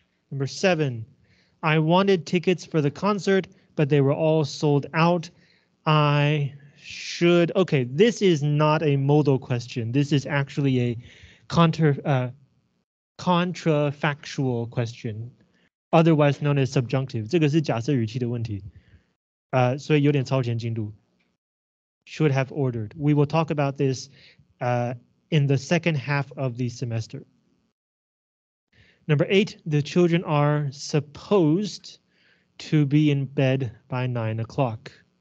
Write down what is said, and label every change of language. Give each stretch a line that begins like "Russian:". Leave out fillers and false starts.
English: Number seven, I wanted tickets for the concert, but they were all sold out. I should, okay, this is not a modal question. This is actually a contrafactual question, otherwise known as subjunctive.
Chinese: 这个是假设语气的问题, 所以有点超前进度.
English: Should have ordered. We will talk about this in the second half of the semester. Number eight, the children are supposed to be in bed by 9 o'clock.